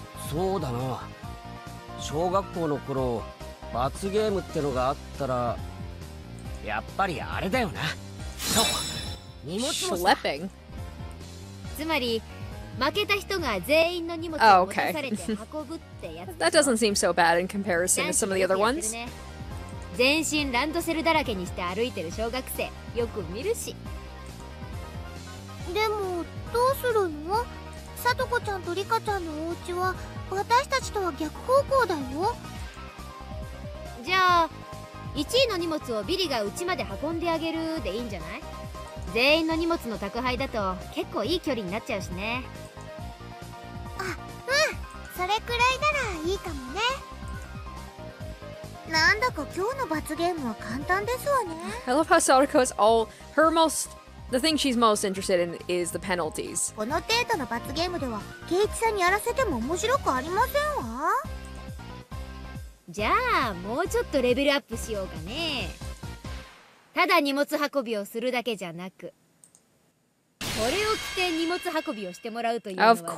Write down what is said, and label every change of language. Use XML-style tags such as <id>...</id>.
<ja>そうだな、小学校の頃罰ゲームってのがあったら、やっぱりあれだよな。そう、荷物もさ。</ja> <en>Schlepping.</en> <ja>つまり負けた人が全員の荷物を持たされて運ぶってやつ。</ja> <en>That doesn't seem so bad in comparison to some of the other ones.</en> <ja>全身ランドセルだらけにして歩いてる小学生、よく見るし。でも、どうするの？さとこちゃんとりかちゃんのお家は私たちとは逆方向だよ。じゃあ1位の荷物をビリが家まで運んであげるでいいんじゃない？全員の荷物の宅配だと結構いい距離になっちゃうしね。あ、うん、それくらいならいいかもね。なんだか今日の罰ゲームは簡単ですわね。</ja> <en>I love how Sadako is all her most the thing she's most interested in is the penalties.</en> <ja>この程度の罰ゲームではケイチさんにやらせても面白くありませんわ。じゃあもうちょっとレベルアップしようかね。ただ荷物運びをするだけじゃなく、これを着て荷物運びをしてもらうというのはどうかな。</ja>